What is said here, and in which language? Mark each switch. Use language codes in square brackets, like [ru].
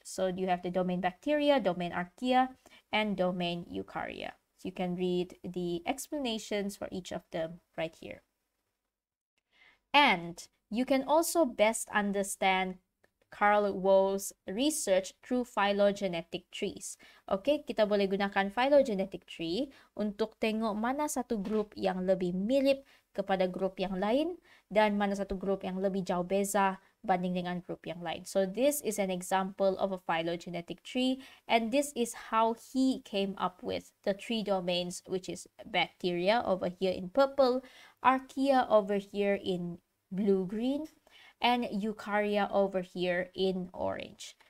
[en] So you have the domain bacteria, domain archaea, and domain eukarya. So you can read the explanations for each of them right here. And you can also best understand Carl Woese's research through phylogenetic trees. [ms] Okay, kita boleh gunakan phylogenetic tree untuk tengok mana satu grup yang lebih mirip kepada grup yang lain dan mana satu grup yang lebih jauh beza banding dengan grup yang lain. [en] So this is an example of a phylogenetic tree, and this is how he came up with the three domains, which is bacteria over here in purple, archaea over here in blue-green, and eukarya over here in orange.